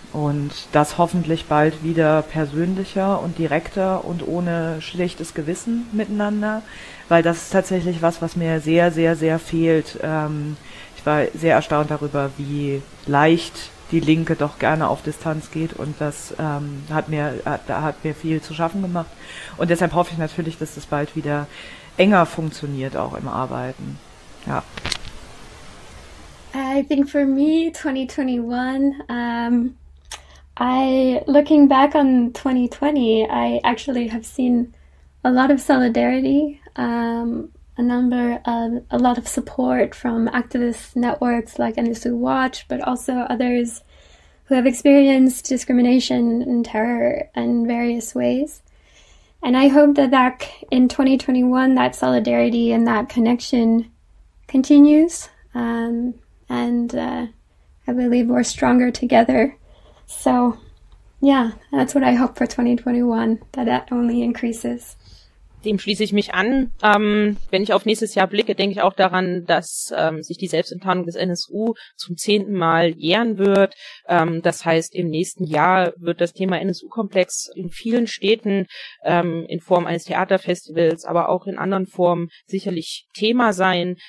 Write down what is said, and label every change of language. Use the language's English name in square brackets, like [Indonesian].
[German] Und das hoffentlich bald wieder persönlicher und direkter und ohne schlechtes Gewissen miteinander, weil das ist tatsächlich was mir sehr, sehr, sehr fehlt. Ich war sehr erstaunt darüber, wie leicht die Linke doch gerne auf Distanz geht, und das hat mir viel zu schaffen gemacht. Und deshalb hoffe ich natürlich, dass das bald wieder enger funktioniert, auch im Arbeiten. Ja. [English] I think for me 2021, looking back on 2020, I actually have seen a lot of solidarity, a lot of support from activist networks like NSU Watch, but also others who have experienced discrimination and terror in various ways. And I hope that in 2021, that solidarity and that connection continues. I believe we're stronger together. So yeah, that's what I hope for 2021, that only increases. [German] Dem schließe ich mich an. Wenn ich auf nächstes Jahr blicke, denke ich auch daran, dass sich die Selbstenttarnung des NSU zum 10. Mal jähren wird. Das heißt, im nächsten Jahr wird das Thema NSU-Komplex in vielen Städten in Form eines Theaterfestivals, aber auch in anderen Formen sicherlich Thema sein.